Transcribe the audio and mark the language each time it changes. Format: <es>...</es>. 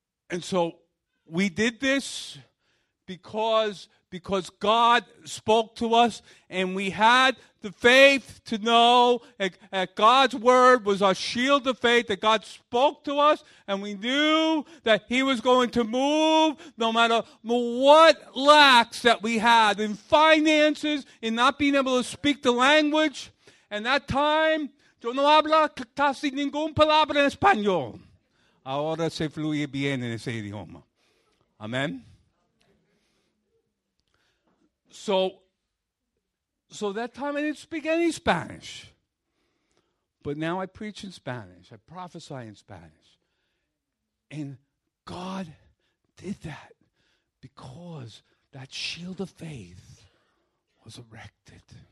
<en>And so we did this because God spoke to us, and we had the faith to know that God's word was our shield of faith, that God spoke to us, and we knew that he was going to move no matter what lacks that we had in finances, in not being able to speak the language. And that time,</en> <es>yo no hablo casi ningún palabra en español. Ahora se fluye bien en ese idioma.</es> <en>Amen. So that time I didn't speak any Spanish. But now I preach in Spanish. I prophesy in Spanish. And God did that because that shield of faith was erected.</en>